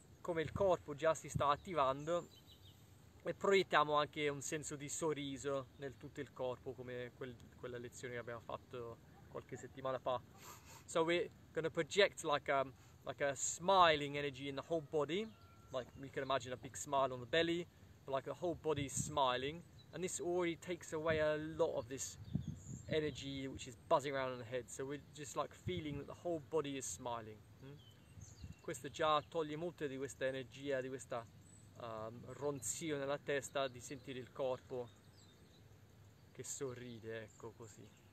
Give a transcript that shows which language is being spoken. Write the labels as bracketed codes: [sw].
[it] come il corpo già si sta attivando e proiettiamo anche un senso di sorriso nel tutto il corpo, come quella lezione che abbiamo fatto qualche settimana fa. [en] So we're gonna project like a smiling energy in the whole body. Like we can imagine a big smile on the belly, but like the whole body is smiling. And this already takes away a lot of this energy which is buzzing around in the head. So we're just like feeling that the whole body is smiling. [it] Questo già toglie molto di questa energia, di questa ronzio nella testa, di sentire il corpo che sorride, ecco così.